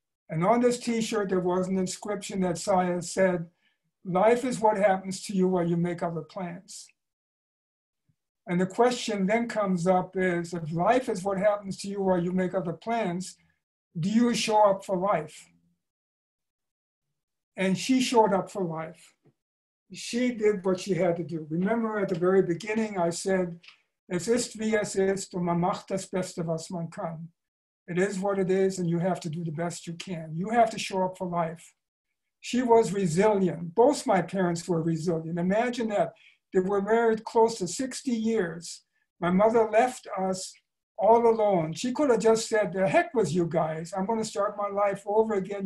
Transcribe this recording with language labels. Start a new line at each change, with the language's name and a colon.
English: And on this t-shirt, there was an inscription that said, life is what happens to you while you make other plans. And the question then comes up is, if life is what happens to you while you make other plans, do you show up for life? And she showed up for life. She did what she had to do. Remember at the very beginning, I said,
German: es ist wie es ist und man macht das Beste, was man kann.
English: It is what it is and you have to do the best you can. You have to show up for life. She was resilient. Both my parents were resilient. Imagine that. They were married close to 60 years. My mother left us all alone. She could have just said, the heck with you guys. I'm going to start my life over again.